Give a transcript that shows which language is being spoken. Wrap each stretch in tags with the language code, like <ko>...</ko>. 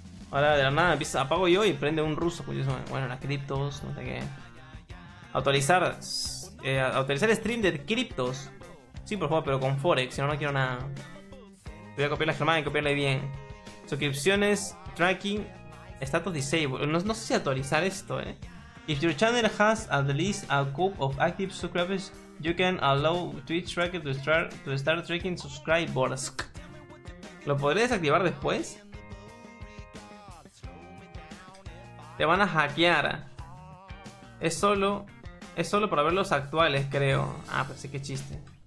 <es>Ahora de la nada empieza. Apago yo y prende un ruso. Pues, bueno, las criptos, no sé qué. Autorizar. Autorizar stream de criptos. Sí, por favor, pero con Forex, si no, no quiero nada. Voy a copiar la germana y copiarla bien. Suscripciones, tracking, status disabled. No sé si autorizar esto, eh.</es> <en>If your channel has at least a couple of active subscribers, you can allow Twitch tracker to start tracking subscribers.</en> <es>¿Lo podré desactivar después? Te van a hackear. Es solo para ver los actuales, creo. Ah, pues sí, qué chiste.</es>